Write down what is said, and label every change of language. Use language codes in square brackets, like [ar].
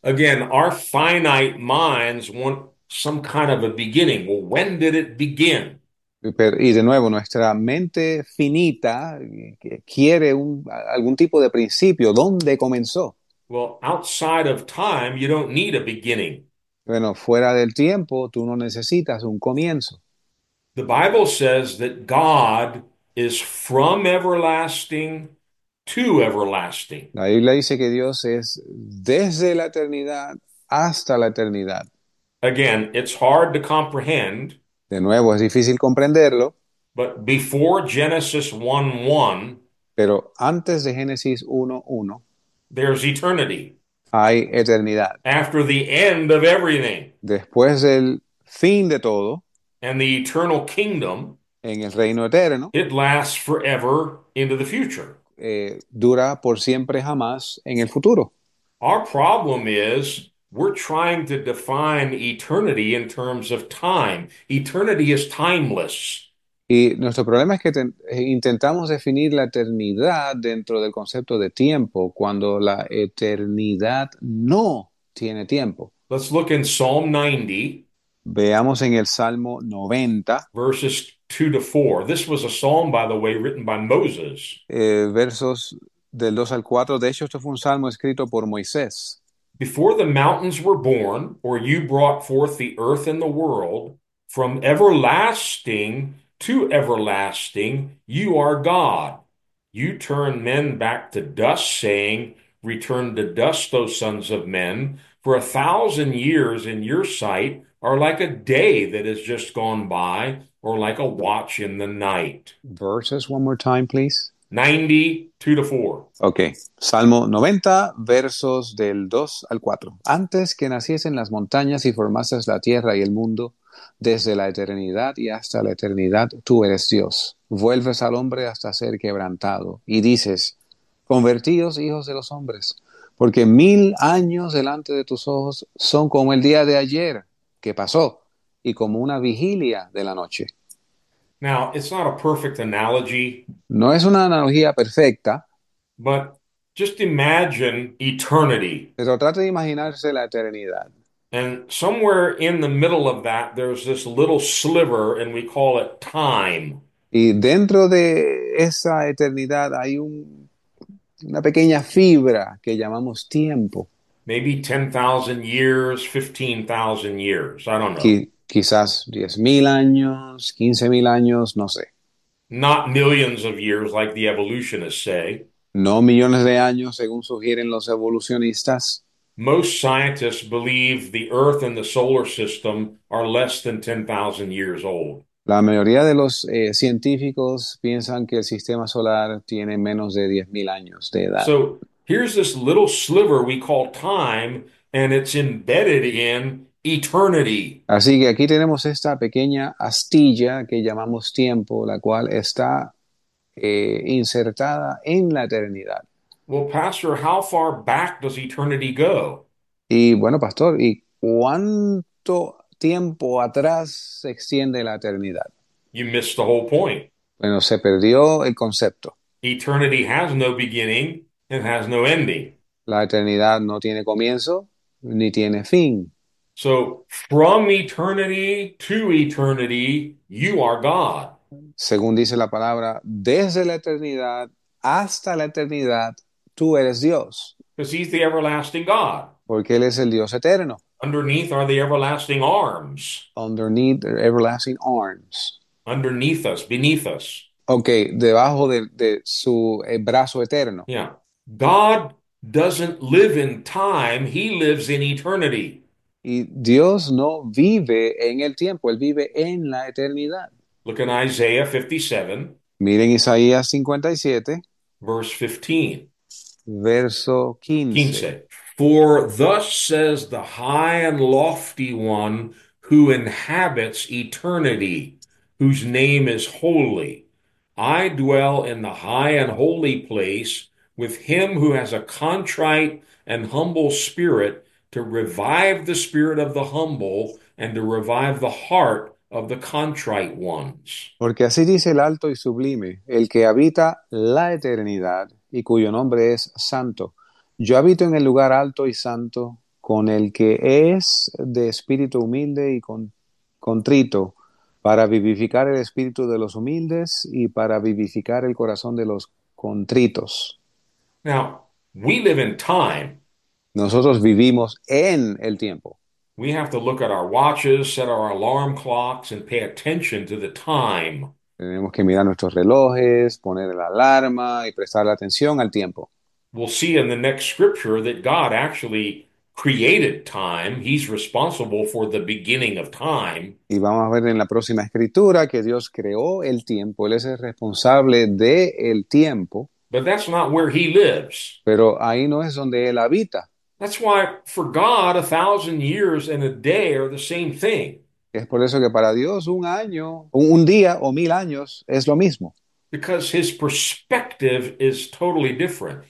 [en] Again, our finite minds want some kind of a beginning. Well, when did it begin? [es] Y de nuevo, nuestra mente finita quiere algún tipo de principio. ¿Dónde comenzó? [en] Well, outside of time, you don't need a beginning. [es] Bueno, fuera del tiempo, tú no necesitas un comienzo. [en] The Bible says that God is from everlasting to everlasting. [es] La Biblia dice que Dios es desde la eternidad hasta la eternidad. [en] Again, it's hard to comprehend, [es] De nuevo, es difícil comprenderlo, [en] but before Genesis 1:1, [es] pero antes de Génesis 1:1 [en] there's eternity [es] hay eternidad. [en] after the end of everything. [es] Después del fin de todo, [en] And the eternal kingdom, [es] en el reino eterno, [en] it lasts forever into the future. [es] dura por siempre jamás en el futuro. [en] Our problem is we're trying to define eternity in terms of time. Eternity is timeless. [es] Y nuestro problema es que intentamos definir la eternidad dentro del concepto de tiempo, cuando la eternidad no tiene tiempo. [en] Let's look in Psalm 90, [es] Veamos en el Salmo 90, [en] verses 2 to 4. This was a psalm, by the way, written by Moses. [es] versos del 2 al 4. De hecho, esto fue un salmo escrito por Moisés. [en] Before the mountains were born, or you brought forth the earth and the world, from everlasting to everlasting, you are God. You turn men back to dust, saying, Return to dust, O sons of men. For 1,000 years in your sight are like a day that has just gone by, or like a watch in the night. Verses one more time, please. 92-4. [es] Okay. Salmo 90, versos del 2 al 4. Antes que naciesen las montañas y formases la tierra y el mundo, desde la eternidad y hasta la eternidad, tú eres Dios. Vuelves al hombre hasta ser quebrantado y dices: Convertíos, hijos de los hombres, porque 1,000 años delante de tus ojos son como el día de ayer que pasó y como una vigilia de la noche. [en] Now, it's not a perfect analogy, [es] No es una analogía perfecta, [en] but just imagine eternity. [es] pero trate de imaginarse la eternidad. [en] And somewhere in the middle of that, there's this little sliver, and we call it time. [es] Y dentro de esa eternidad hay una pequeña fibra que llamamos tiempo. [en] Maybe 10,000 years, 15,000 years, I don't know. [es] Quizás 10,000 años, 15,000 años, no sé. [en] Not millions of years, like the evolutionists say. [es] No millones de años, según sugieren los evolucionistas. [en] Most scientists believe the Earth and the solar system are less than 10,000 years old. [es] La mayoría de los científicos piensan que el sistema solar tiene menos de 10,000 años de edad. [en] So here's this little sliver we call time, and it's embedded in eternity. [es] Así que aquí tenemos esta pequeña astilla que llamamos tiempo, la cual está insertada en la eternidad. [en] Well, Pastor, how far back does eternity go? [es] Y bueno, pastor, ¿y cuánto tiempo atrás se extiende la eternidad? [en] You missed the whole point. [es] Bueno, se perdió el concepto. [en] Eternity has no beginning and has no ending. [es] La eternidad no tiene comienzo ni tiene fin. [en] So, from eternity to eternity, you are God. [es] Según dice la palabra, desde la eternidad hasta la eternidad, tú eres Dios. [en] Because he's the everlasting God. [es] Porque Él es el Dios eterno. [en] Underneath are the everlasting arms. Underneath their everlasting arms. Underneath us, beneath us. [es] Ok, debajo de su brazo eterno. [en] Yeah. God doesn't live in time, he lives in eternity. [es] Y Dios no vive en el tiempo, Él vive en la eternidad. [en] Look in Isaiah 57, [es] Miren Isaías 57, [en] verse 15. [es] verso 15. 15. [en] For thus says the high and lofty one who inhabits eternity, whose name is holy. I dwell in the high and holy place with him who has a contrite and humble spirit to revive the spirit of the humble and to revive the heart of the contrite ones. [es] Porque así dice el alto y sublime, el que habita la eternidad y cuyo nombre es santo. Yo habito en el lugar alto y santo con el que es de espíritu humilde y contrito, para vivificar el espíritu de los humildes y para vivificar el corazón de los contritos. [en] Now, we live in time. [es] Nosotros vivimos en el tiempo. [en] We have to look at our watches, set our alarm clocks, and pay attention to the time. [es] Tenemos que mirar nuestros relojes, poner la alarma y prestar la atención al tiempo. [en] We'll see in the next scripture that God actually created time. He's responsible for the beginning of time. [es] Y vamos a ver en la próxima escritura que Dios creó el tiempo. Él es el responsable del tiempo. [en] But that's not where he lives. [es] Pero ahí no es donde él habita. [en] That's why for God, 1,000 years and a day are the same thing. [es] Es por eso que para Dios un año, un día o 1,000 años es lo mismo. [en] Because his perspective is totally different.